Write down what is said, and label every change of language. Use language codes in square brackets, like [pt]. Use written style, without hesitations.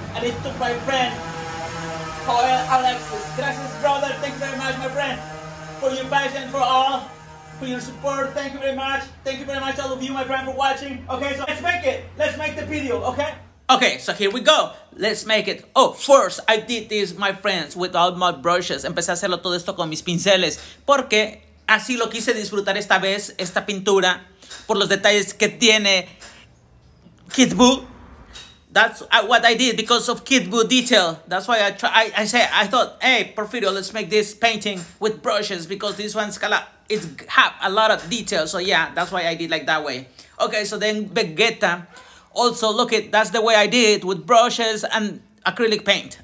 [en] And it's to my friend, Joel Alexis. [es] Gracias, [en] brother. Thank you very much, my friend, for your passion, for all, for your support. Thank you very much. Thank you very much, all of you, my friend, for watching. Okay, so let's make it. Let's make the video, okay? Okay, so here we go. Let's make it. Oh, first, I did this, my friends, with all my brushes. [es] Empecé a hacerlo todo esto con mis pinceles. Porque así lo quise disfrutar esta vez, esta pintura, por los detalles que tiene Kid Buu. [en] That's what I did because of Kid Buu detail. That's why I thought, hey, Porfirio, let's make this painting with brushes because this one's got a, it's have a lot of detail. So yeah, that's why I did like that way. Okay, so then Vegeta. Also, look at, that's the way I did it, with brushes and acrylic paint.